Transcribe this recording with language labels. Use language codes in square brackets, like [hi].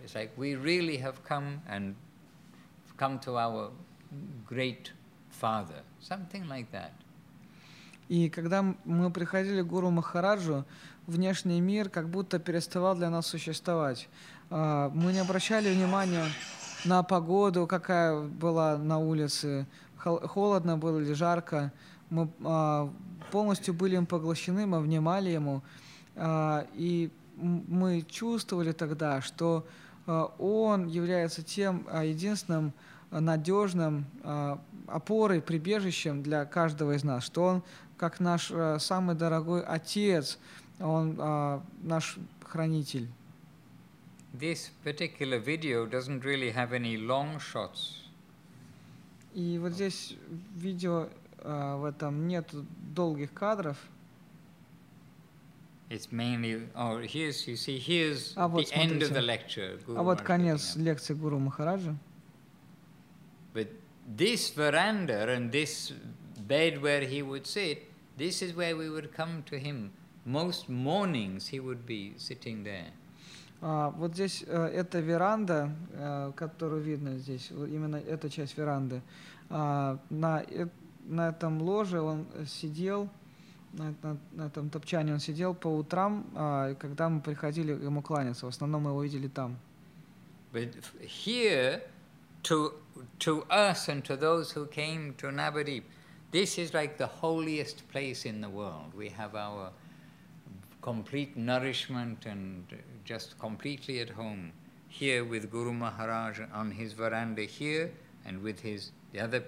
[en] It's like we really have come and come to our great father, something like that. [ru] И когда мы приходили к Гуру Махараджу, внешний мир как будто переставал для нас существовать. Мы не обращали внимания на погоду, какая была на улице, холодно было или жарко. Мы полностью были им поглощены, мы внимали ему. И мы чувствовали тогда, что он является тем единственным надежным опорой, прибежищем для каждого из нас, что он как наш самый дорогой отец, он наш хранитель. [en] This particular video doesn't really have any long shots. [ru] И вот здесь видео в этом нет долгих кадров. [en] It's mainly, oh, here's, you see, here's the end of the lecture. [ru] А вот конец лекции Гуру Махараджа. [en] But this veranda and this bed where he would sit, this is where we would come to him. Most mornings he would be sitting there. [ru] Вот здесь эта веранда, которую видно здесь, именно эта часть веранды. На этом ложе он сидел, на этом топчане он сидел по утрам, когда мы приходили ему кланяться. В основном мы его видели там. [en] But here, to us and to those who came to Navadvip, this is like the holiest place in the world. We have our complete nourishment and just completely at home here with Guru Maharaj on his veranda here and with his the other.